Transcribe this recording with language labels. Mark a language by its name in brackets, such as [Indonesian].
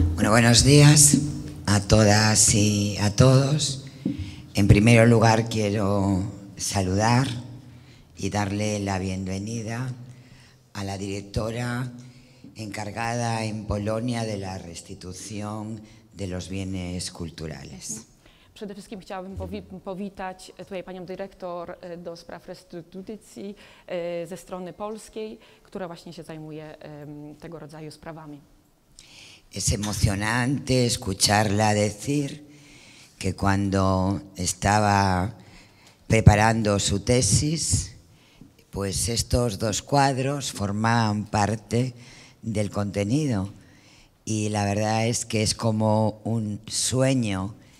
[Spanish] Buenos días a todas y a todos. En primer lugar quiero saludar y darle la bienvenida a la directora encargada en Polonia de la restitución de los bienes culturales. [Polish] Przede wszystkim chciałabym powitać tutaj panią dyrektor do spraw restytucji ze strony polskiej, która właśnie się zajmuje tego rodzaju sprawami. [Spanish] Es emocionante escucharla decir que cuando estaba preparando su tesis, pues estos dos cuadros formaban parte del contenido. Y la verdad es que es como un sueño.